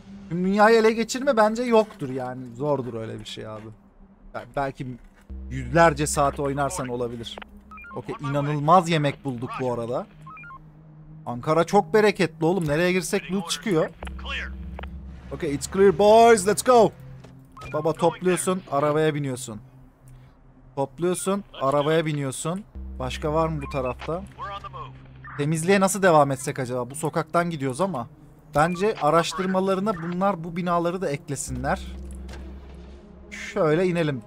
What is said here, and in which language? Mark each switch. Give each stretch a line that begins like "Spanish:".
Turkish: Dünyayı ele geçirme bence yoktur yani. Zordur öyle bir şey abi. Belki yüzlerce saat oynarsan olabilir. Okey inanılmaz yemek bulduk bu arada. Ankara çok bereketli oğlum. Nereye girsek loot çıkıyor.
English: Okey it's clear boys let's go.
Turkish: Baba topluyorsun arabaya biniyorsun. Topluyorsun arabaya biniyorsun. Başka var mı bu tarafta? Temizliğe nasıl devam etsek acaba? Bu sokaktan gidiyoruz ama. Bence araştırmalarına bunlar bu binaları da eklesinler. Şöyle inelim.